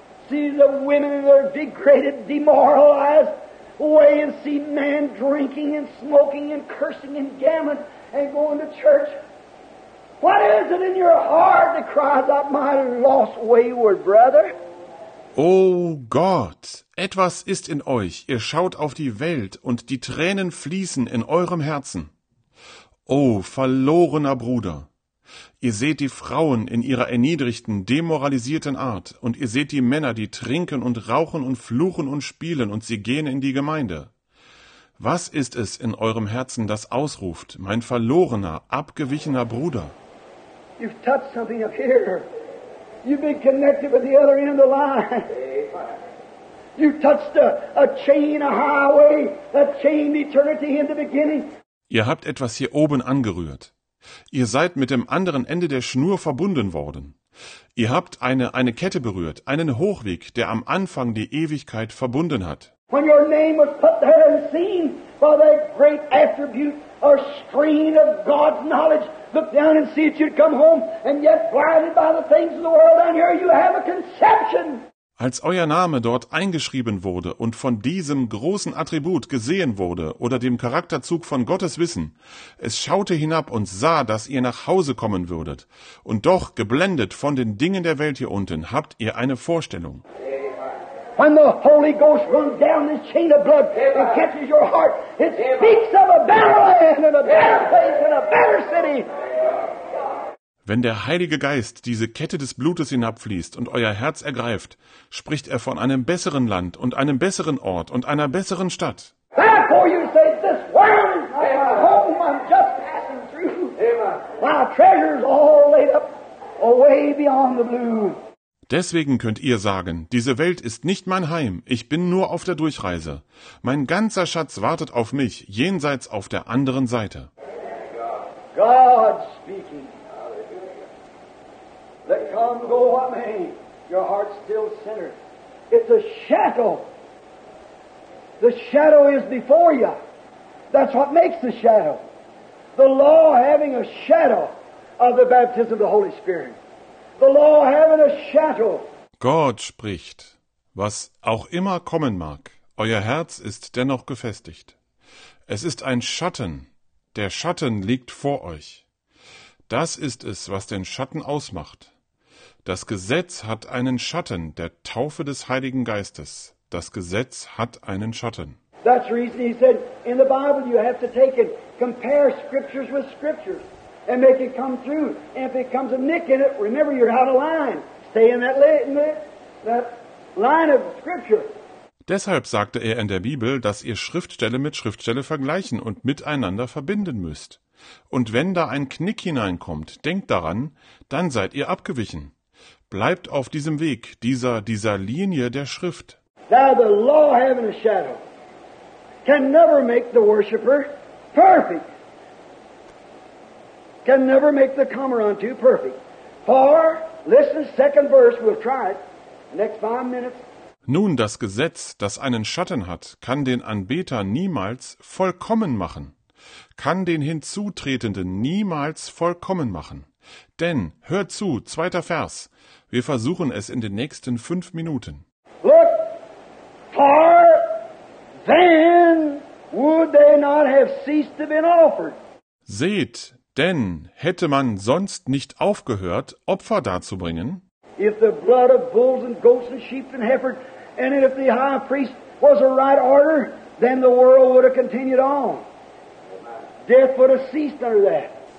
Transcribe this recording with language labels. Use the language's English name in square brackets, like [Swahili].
[English] See the women that are degraded, demoralized, away and see men drinking and smoking and cursing and gambling and going to church. What is it in your heart that cries out, my lost wayward brother? [German] Oh Gott, etwas ist in euch, ihr schaut auf die Welt und die Tränen fließen in eurem Herzen. Oh verlorener Bruder, ihr seht die Frauen in ihrer erniedrigten, demoralisierten Art und ihr seht die Männer, die trinken und rauchen und fluchen und spielen und sie gehen in die Gemeinde. Was ist es in eurem Herzen, das ausruft, mein verlorener, abgewichener Bruder? [English] You've touched something up here. You've been connected with the other end of the line. Amen. You touched a chain, a highway that chained eternity in the beginning. [German] Ihr habt etwas hier oben angerührt. Ihr seid mit dem anderen Ende der Schnur verbunden worden. Ihr habt eine Kette berührt, einen Hochweg, der am Anfang die Ewigkeit verbunden hat. [English] When your name was put there and seen by that great attribute or screen of God's knowledge, look down and see it, you'd come home, and yet blinded by the things of the world down here, you have a conception. [German] Als euer Name dort eingeschrieben wurde und von diesem großen Attribut gesehen wurde oder dem Charakterzug von Gottes Wissen, es schaute hinab und sah, dass ihr nach Hause kommen würdet. Und doch, geblendet von den Dingen der Welt hier unten, habt ihr eine Vorstellung. [English] When the Holy Ghost runs down this chain of blood and catches your heart, it speaks of a better land and a better place and a better city. [German] Wenn der Heilige Geist diese Kette des Blutes hinabfließt und euer Herz ergreift, spricht er von einem besseren Land und einem besseren Ort und einer besseren Stadt. [English] Therefore you say, this world is my home, I'm just passing through. My treasure's all laid up away beyond the blue. [German] Deswegen könnt ihr sagen, diese Welt ist nicht mein Heim, ich bin nur auf der Durchreise. Mein ganzer Schatz wartet auf mich, jenseits auf der anderen Seite. [English] God speaking. Let come go what may, your heart's still centered. It's a shadow. The shadow is before you. That's what makes the shadow. The law having a shadow of the baptism of the Holy Spirit. The law having a shadow. [German] Gott spricht, was auch immer kommen mag, euer Herz ist dennoch gefestigt. Es ist ein Schatten, der Schatten liegt vor euch. Das ist es, was den Schatten ausmacht. Das Gesetz hat einen Schatten, der Taufe des Heiligen Geistes. Das Gesetz hat einen Schatten. [English] That's the reason he said, in the Bible you have to take and compare scriptures with scriptures. And make it come through. And if it comes a nick in it, remember you're out of line. Stay in that line of scripture. [German] Deshalb sagte er in der Bibel, dass ihr Schriftstelle mit Schriftstelle vergleichen und miteinander verbinden müsst. Und wenn da ein Knick hineinkommt, denkt daran, dann seid ihr abgewichen. Bleibt auf diesem Weg, dieser Linie der Schrift. [English] Now the law having a shadow can never make the worshipper perfect. Can never make the comer unto perfect. For, listen, second verse, we'll try it. Next 5 minutes. [German] Nun, das Gesetz, das einen Schatten hat, kann den Anbeter niemals vollkommen machen. Kann den Hinzutretenden niemals vollkommen machen. Denn, hört zu, zweiter Vers. Wir versuchen es in den nächsten 5 Minuten. [English] Look, for then would they not have ceased to be offered. [German] Seht, denn hätte man sonst nicht aufgehört, Opfer darzubringen? [English] If the blood of bulls and goats and sheep and heifers, and if the high priest was a right order, then the world would have continued on. Death would have ceased under that.